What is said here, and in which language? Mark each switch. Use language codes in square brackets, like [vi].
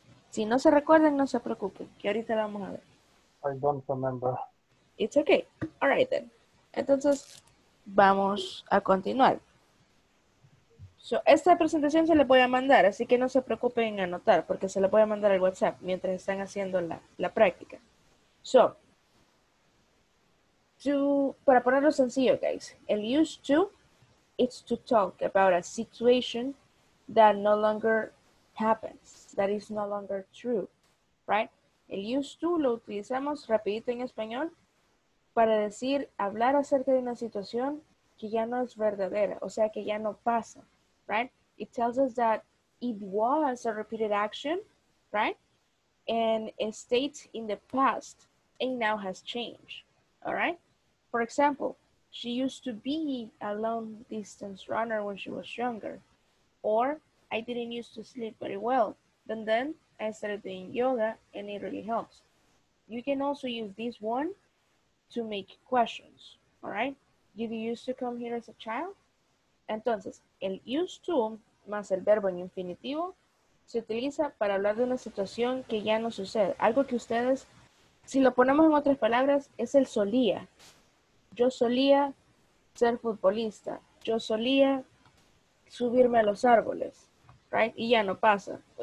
[es] Si no se recuerdan, no se preocupen, que ahorita lo vamos a ver. [en] I don't remember. It's okay. All right then. [es] Entonces, vamos a continuar. So, esta presentación se la voy a mandar, así que no se preocupen en anotar, porque se la voy a mandar al WhatsApp mientras están haciendo la práctica. [en] So, [es] para ponerlo sencillo, [en] guys, el used to, it's to talk about a situation that no longer happens, that is no longer true, right? [es] El used to lo utilizamos rapidito en español para decir, hablar acerca de una situación que ya no es verdadera, o sea, que ya no pasa, right? [en] It tells us that it was a repeated action, right? And it states in the past and now has changed, all right? For example, she used to be a long distance runner when she was younger, or I didn't used to sleep very well, but then I started doing yoga and it really helps. You can also use this one to make questions, all right? Did you used to come here as a child? Entonces, el used to [es] más el verbo en infinitivo se utiliza para hablar de una situación que ya no sucede. Algo que ustedes, si lo ponemos en otras palabras, es el solía. Yo solía ser futbolista. Yo solía subirme a los árboles. Right? Y ya no pasa.